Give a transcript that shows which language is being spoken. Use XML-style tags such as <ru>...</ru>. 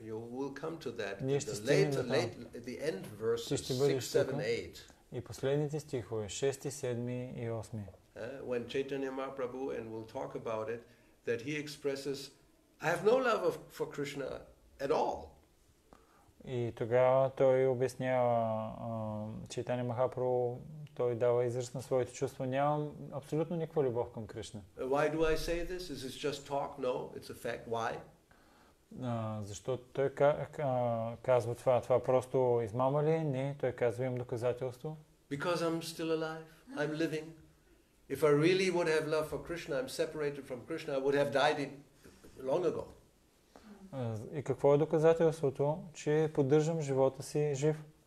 <en>You will come to that in the late the end verses 6, 7, 8.</en> <bg>И последните стихове 6, 7 и 8.</bg> <en>When Chaitanya Mahaprabhu, and we'll talk about it, that he expresses, I have no love for Krishna at all.</en> <bg>И тогава той обяснява, Чайтанья Махапрабху, той дава израз на своите чувства, нямам абсолютно никаква любов към Кришна.</bg> <en>Why do I say this? Is this just talk? No, it's a fact. Why?</en> <bg>Защо той казва това? Това просто измама ли? Не, той казва, имам доказателство.</bg> <en>Because I'm still alive. I'm living. If I really would have love for Krishna, I'm separated from Krishna, I would have died long ago.</en> <bg>И какво е доказателството, че поддържам живота си жив?</bg>